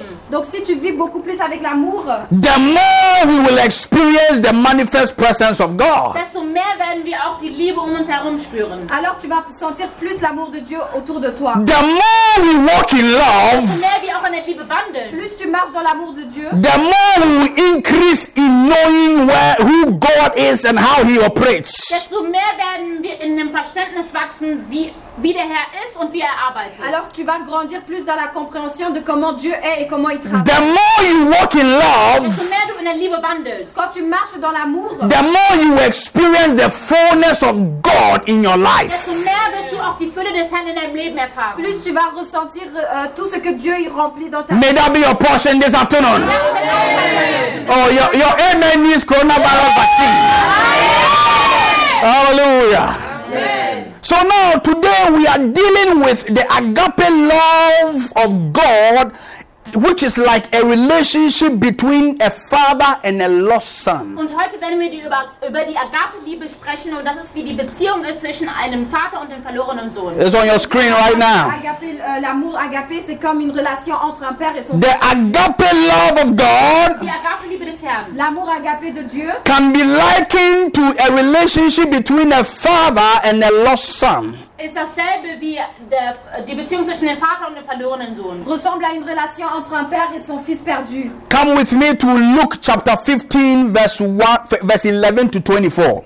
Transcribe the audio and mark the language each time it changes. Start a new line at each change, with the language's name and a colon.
French: donc si tu vis beaucoup plus avec l'amour,
English: the more we will experience the manifest presence of God.
German: Desto mehr werden wir auch die Liebe um uns herum spüren.
French: Alors tu vas sentir plus l'amour de Dieu autour de toi.
English: The more we walk in love,
German: desto mehr wir auch in der Liebe wandeln.
French: Plus tu marches dans l'amour de Dieu,
English: the more we increase in knowing where who God is and how he operates.
German: Desto mehr werden wir in dem Verständnis wachsen, wie der Herr ist und wie arbeitet.
French: Alors tu vas grandir plus dans la compréhension de comment Dieu est et comment il travaille.
English: The more you walk in love,
German: desto mehr du in der Liebe wandelst.
French: Quand tu marches dans l'amour,
English: the more you experience the fullness of God in your life.
German: Desto mehr wirst du auch die Fülle des Herrn in deinem Leben erfahren.
French: Plus tu vas ressentir tout ce que Dieu y remplit dans ta
English: vie. May that be your portion this afternoon. Oh, your amen means coronavirus vaccine. Hallelujah. So now, today we are dealing with the agape love of God, which is like a relationship between a father and a lost son.
German: Und heute werden wir über die Agape-Liebe sprechen, und das ist wie die Beziehung ist zwischen einem Vater und dem verlorenen Sohn.
English: It's on your screen right now.
French: Agape, l'amour agape, c'est comme une relation entre un père et son.
English: The agape love of God.
German: Die Agape-Liebe des Herrn.
French: L'amour agape de Dieu.
English: Can be likened to a relationship between a father and a lost son.
German: Ist dasselbe wie die Beziehung zwischen dem Vater und dem verlorenen Sohn.
French: Ressemble à une relation entre un père et son fils perdu.
English: Come with me to Luke chapter 15, verse 1, verse 11 to 24.